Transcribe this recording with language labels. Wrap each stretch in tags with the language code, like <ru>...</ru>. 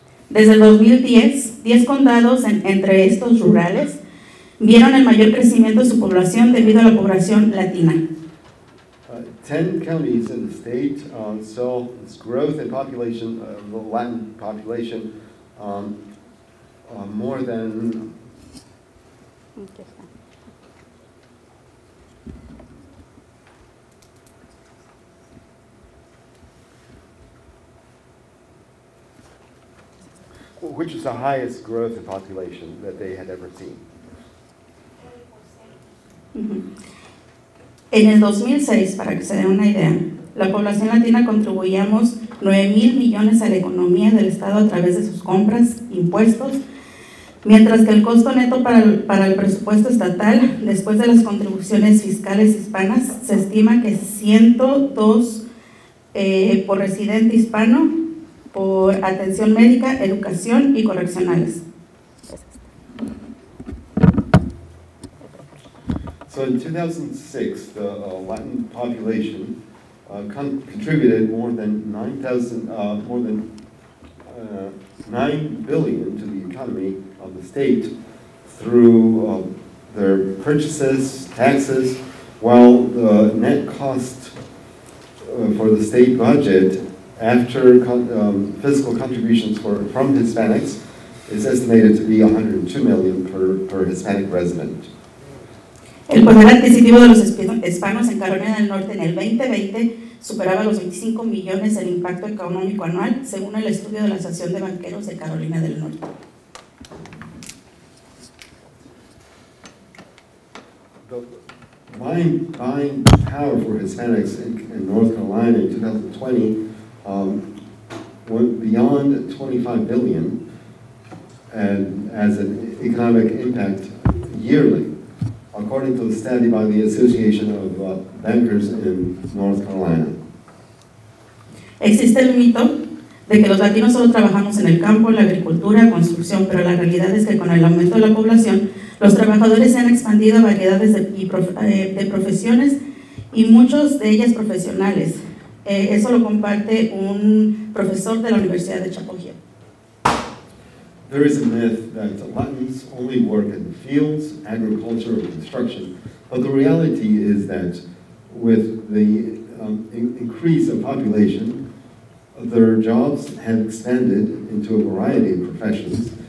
<es>Desde 2010, 10 condados entre estos rurales vieron el mayor crecimiento de su población debido a la población latina.</es> <en>10 counties in the state saw its growth in population, the Latin population, more than... Which is the highest growth of population that they had ever seen? Mm-hmm.</en> <es>En el 2006, para que se den una idea, la población latina contribuíamos 9,000 millones a la economía del estado a través de sus compras, impuestos, mientras que el costo neto para el presupuesto estatal, después de las contribuciones fiscales hispanas, se estima que 102 por residente hispano, por atención médica, educación y correccionales.</es> <en>So in 2006, the Latin population contributed more than 9 billion to the economy of the state through their purchases, taxes, while the net cost for the state budget after fiscal contributions from Hispanics, is estimated to be $102 million per Hispanic resident.</en> <es>El poder adquisitivo de los hispanos en Carolina del Norte en el 2020 superaba los 25 millones del impacto económico anual, según el estudio de la Asociación de Banqueros de Carolina del Norte.</es> <en>The buying power for Hispanics in North Carolina in 2020 went beyond $25 billion and as an economic impact yearly, according to the study by the Association of Bankers in North Carolina.</en> <es>Existe el mito de que los latinos solo trabajamos en el campo, la agricultura, construcción, pero la realidad es que con el aumento de la población, los trabajadores se han expandido a variedades de profesiones y muchos de ellas profesionales. Eso lo comparte un profesor de la Universidad de Chapo Hill.</es> <en>There is a myth that the Latins only work in the fields, agriculture, or construction, but the reality is that with the increase of population, their jobs have expanded into a variety of professions.</en>